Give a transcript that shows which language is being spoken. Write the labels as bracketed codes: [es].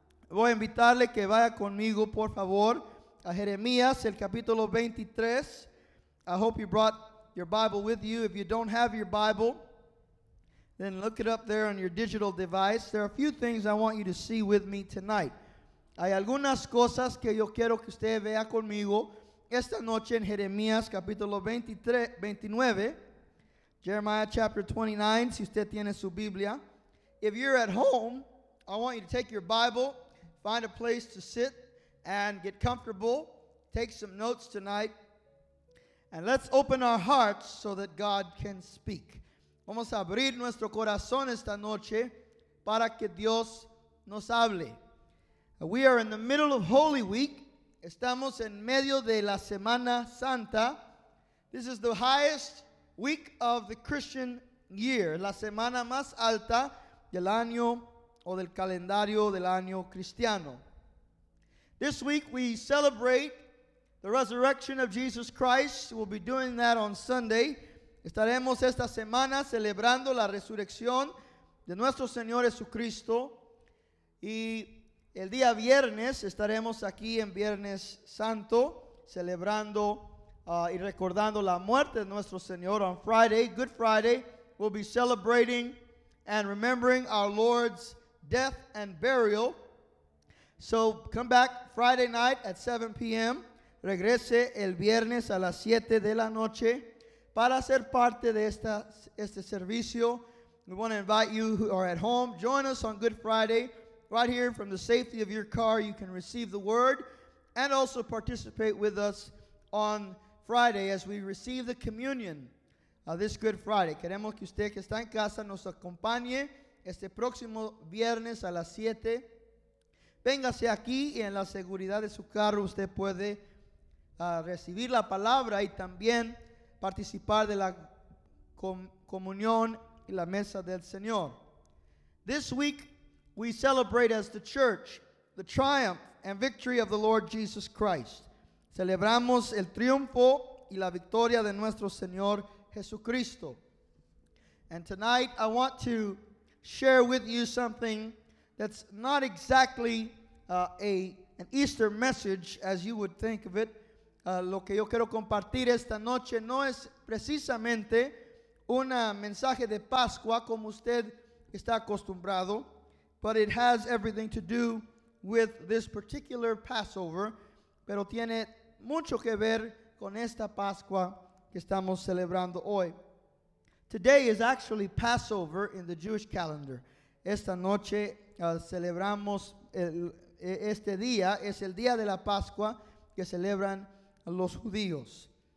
[es] Voy a invitarle que vaya conmigo, por favor, a Jeremías, el capítulo 23. [en] I hope you brought your Bible with you. If you don't have your Bible, then look it up there on your digital device. There are a few things I want you to see with me tonight. [es] Hay algunas cosas que yo quiero que usted vea conmigo esta noche en Jeremías, capítulo 29. [en] Jeremiah chapter 29, [es] si usted tiene su Biblia. [en] If you're at home, I want you to take your Bible, find a place to sit and get comfortable, take some notes tonight, and let's open our hearts so that God can speak. [es] Vamos a abrir nuestro corazón esta noche para que Dios nos hable. [en] We are in the middle of Holy Week. [es] Estamos en medio de la Semana Santa. [en] This is the highest week of the Christian year, [es] la semana más alta del año o del calendario del año cristiano. [en] This week we celebrate the resurrection of Jesus Christ. We'll be doing that on Sunday. [es] Estaremos esta semana celebrando la resurrección de nuestro Señor Jesucristo. Y el día viernes estaremos aquí en Viernes Santo celebrando y recordando la muerte de nuestro Señor. [en] On Friday, Good Friday, we'll be celebrating and remembering our Lord's death and burial. So come back Friday night at 7 p.m. [es] Regrese el viernes a las 7 de la noche para ser parte de este servicio. [en] We want to invite you who are at home, join us on Good Friday. Right here from the safety of your car, you can receive the word and also participate with us on Friday as we receive the communion this Good Friday. [es] Queremos que usted que está en casa nos acompañe este próximo viernes a las 7. Véngase aquí y en la seguridad de su carro usted puede recibir la palabra y también participar de la comunión y la mesa del Señor. [en] This week we celebrate as the church the triumph and victory of the Lord Jesus Christ. [es] Celebramos el triunfo y la victoria de nuestro Señor Jesucristo. [en] And tonight I want to share with you something that's not exactly an Easter message as you would think of it. [es] Lo que yo quiero compartir esta noche no es precisamente un mensaje de Pascua como usted está acostumbrado, [en] but it has everything to do with this particular Passover, [es] pero tiene mucho que ver con esta Pascua que estamos celebrando hoy. [en] Today is actually Passover in the Jewish calendar. [es] Esta noche celebramos este día, es el día de la Pascua que celebran los judíos.